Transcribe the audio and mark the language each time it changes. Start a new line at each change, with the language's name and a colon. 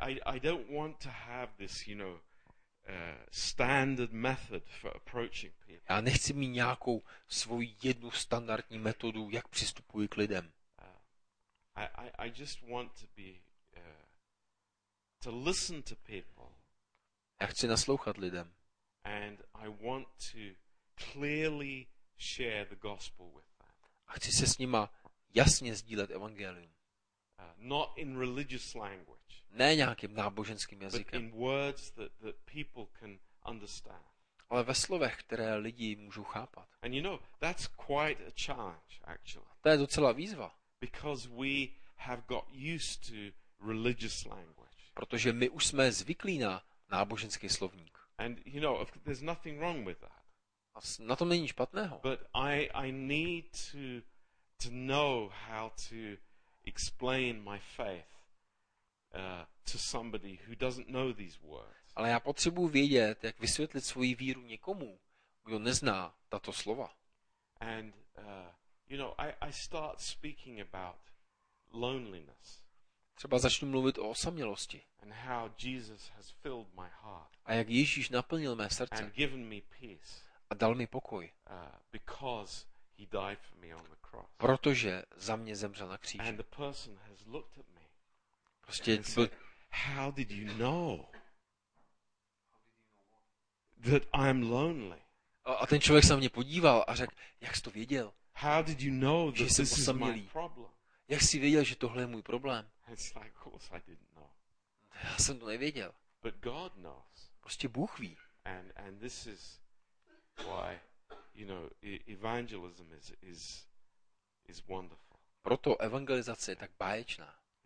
English: I don't want to have this, you know, standard method for approaching people.
Czech: Já nechci mít nějakou svou jednu standardní metodu, jak přistupuji k lidem.
English: I just want to be to listen to people.
Czech: Já chci naslouchat lidem.
English: And I want to clearly share the gospel with them.
Czech: A chci se s nima jasně sdílet evangelium.
English: Not in religious language.
Czech: Ne nějakým náboženským jazykem.
English: But in words that people can understand.
Czech: Ale ve slovech, které lidi můžou chápat.
English: And you know, that's quite a challenge actually.
Czech: To je docela výzva.
English: Because we have got used to religious language.
Czech: Protože my už jsme zvyklí na náboženský slovník.
English: And you know, there's nothing wrong with that.
Czech: A na tom není špatného.
English: But I need to know how to explain my faith to somebody who doesn't know these words.
Czech: Ale já potřebuji vědět, jak vysvětlit svoji víru někomu, kdo nezná tato slova.
English: And you know, I start speaking about loneliness.
Czech: třeba začnu mluvit o osamělosti.
English: And how Jesus has filled my heart.
Czech: A jak Ježíš naplnil mé srdce.
English: And given me peace.
Czech: A dal mi pokoj.
English: Because he died for me on the cross.
Czech: Protože za mě zemřel na kříži.
English: And the person has looked at me.
Czech: Prostě
English: and said, how did you know? That I'm lonely.
Czech: A ten člověk se na mě podíval a řekl, jak jsi to věděl?
English: How did you know that this is my problem?
Czech: Jak jsi věděl, že tohle je můj problém?
English: It's like, of course I didn't know.
Czech: Já jsem to nevěděl.
English: But God knows.
Czech: Prostě Bůh ví.
English: And this is why, you know, evangelism is wonderful.
Czech: Proto evangelizace je tak báječná.